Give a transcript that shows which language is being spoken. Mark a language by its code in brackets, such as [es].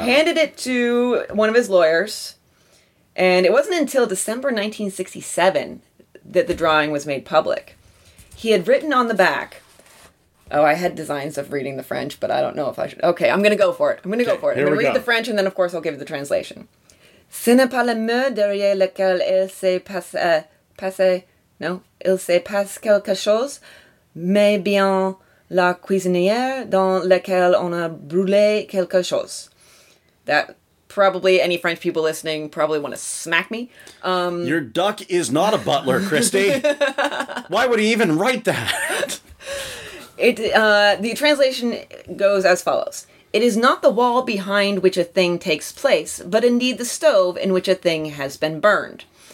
[en] Handed it to one of his lawyers. And it wasn't until December 1967 that the drawing was made public. He had written on the back. Oh, I had designs of reading the French, but I don't know if I should. Okay, I'm going to go for it. I'm going to read the French, and then, of course, I'll give the translation. [fr] Ce n'est pas le mur derrière lequel il s'est passé quelque chose. mais bien la cuisinière dans laquelle on a brûlé quelque chose. [en] That probably any French people listening probably want to smack me. Your duck is not a butler, Christy. Why would he even write that? The translation goes as follows. It is not the wall behind which a thing takes place, but indeed the stove in which a thing has been burned.